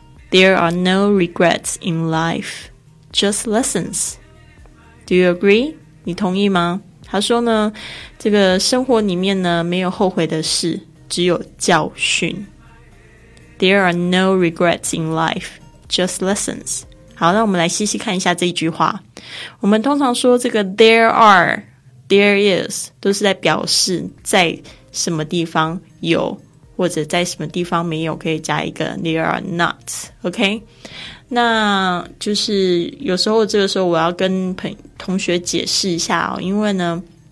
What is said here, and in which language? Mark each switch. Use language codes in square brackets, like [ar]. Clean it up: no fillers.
[en] There are no regrets in life, just lessons. Do you agree? [zh] 你同意吗？他说呢，这个生活里面呢，没有后悔的事，只有教训。 [en] There are no regrets in life, just lessons. [zh] 好，那我们来细细看一下这一句话。我们通常说这个 [en] there are, there is, [zh] 都是在表示在什么地方有或者在什么地方没有，可以加一个 [en] there are not， [zh] OK， 那就是有时候这个时候我要跟同学解释一下哦，因为呢